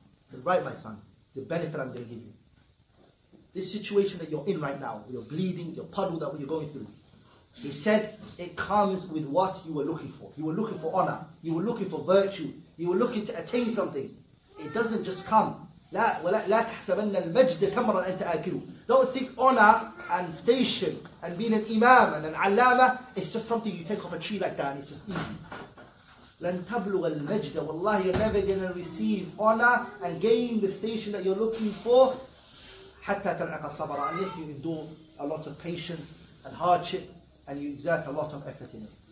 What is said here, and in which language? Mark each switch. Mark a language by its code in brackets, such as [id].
[en] So right, my son, the benefit I'm going to give you. This situation that you're in right now, you're bleeding, your puddle that you're going through. He said, it comes with what you were looking for. You were looking for honor. You were looking for virtue. You were looking to attain something. It doesn't just come. [ar] لا تحسبن المجد تمرا انت اكله. [en] Don't think honor and station and being an imam and an allama is just something you take off a tree like that and it's just easy. [ar] لن تبلغ المجد. [en] والله you're never gonna receive honor and gain the station that you're looking for [ar] حتى تلعق الصبر, [en] unless you endure a lot of patience and hardship and you exert a lot of effort in it.